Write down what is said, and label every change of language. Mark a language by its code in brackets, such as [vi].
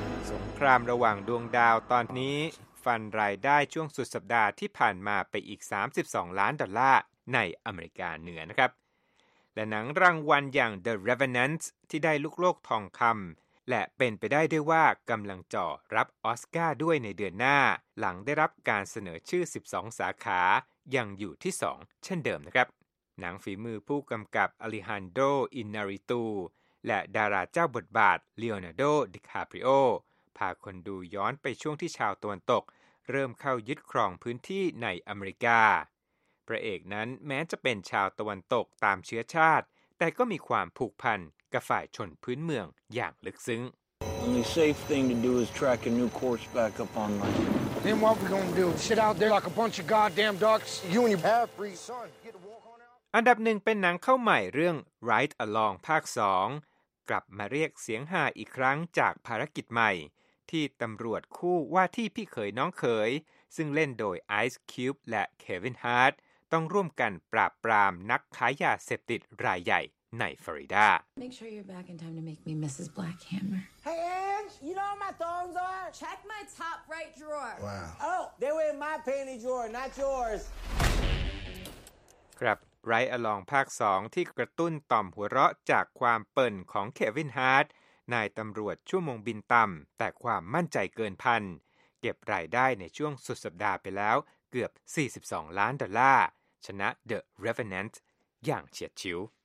[th] สงครามระหว่างดวงดาวตอนนี้ฟันรายได้ช่วงสุดสัปดาห์ที่ผ่านมาไปอีก32ล้านดอลลาร์ในอเมริกาเหนือนะครับและหนังรางวัลอย่าง The Revenant ที่ได้ลูกโลกทองคำและเป็นไปได้ด้วยว่ากำลังจ่อรับออสการ์ด้วยในเดือนหน้าหลังได้รับการเสนอชื่อ12สาขายังอยู่ที่2เช่นเดิมนะครับหนังฝีมือผู้กำกับอลิฮันโดอินาริตูและดาราเจ้าบทบาทลีโอนาร์โดดิคาปริโอ พาคนดูย้อนไปช่วงที่ชาวตะวันตกเริ่มเข้ายึดครองพื้นที่ในอเมริกาพระเอกนั้นแม้จะเป็นชาวตะวันตกตามเชื้อชาติแต่ก็มีความผูกพันกับฝ่ายชนพื้นเมืองอย่างลึกซึ้ง [en] The safe thing to do is track a new course back up on land. Then what we going to do? Sit out there like a bunch of goddamn dogs. You and your half-breed son get [th] aอันดับหนึ่งเป็นหนังเข้าใหม่เรื่อง Ride Along ภาค2กลับมาเรียกเสียงฮาอีกครั้งจากภารกิจใหม่ที่ตำรวจคู่ว่าที่พี่เขยน้องเขยซึ่งเล่นโดย Ice Cube และ Kevin Hart ต้องร่วมกันปราบปรามนักขายยาเสพติดรายใหญ่ในฟลอริดา [en] Make sure you're back in time to make me Mrs. Blackhammer Hey Ange, you know where my thongs are? Check my top right drawer Wow Oh, they were in my panty drawer, not yours [th] ครับRide Along ภาค2ที่กระตุ้นต่อมหัวเราะจากความเปิ่นของเควินฮาร์ดนายตำรวจชั่วโมงบินต่ำแต่ความมั่นใจเกินพันเก็บรายได้ในช่วงสุดสัปดาห์ไปแล้วเกือบ42ล้านดอลลาร์ชนะ The Revenant อย่างเฉียดฉิว